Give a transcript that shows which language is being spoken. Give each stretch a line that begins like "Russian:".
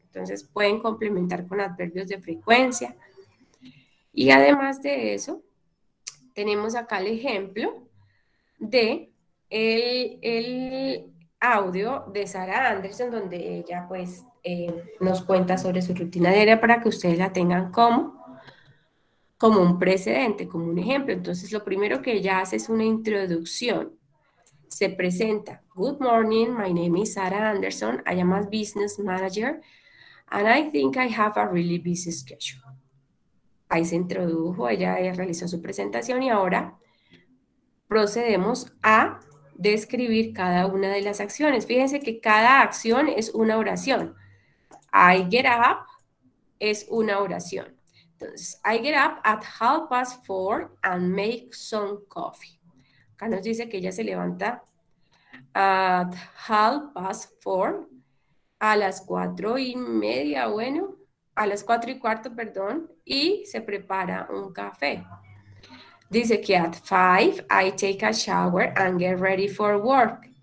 Spanish: Entonces pueden complementar con adverbios de frecuencia. Y además de eso, tenemos acá el ejemplo de el audio de Sara Anderson, donde ella pues nos cuenta sobre su rutina diaria para que ustedes la tengan como un precedente, como un ejemplo. Entonces lo primero que ella hace es una introducción. Se presenta,
English: good morning, my name is Sara Anderson, I am a business manager, and I think I have a really busy schedule.
Spanish: Ahí se introdujo, ella realizó su presentación y ahora procedemos a describir cada una de las acciones. Fíjense que cada acción es una oración.
English: I get up
Spanish: es una oración.
English: Entonces, I get up at 4:30 and make some coffee.
Spanish: Acá nos dice que ella se levanta
English: at 4:30
Spanish: a las 4:30, bueno, a las 4:15, perdón, y se prepara un café. Dice que
English: at 5 I take a shower and get ready for work.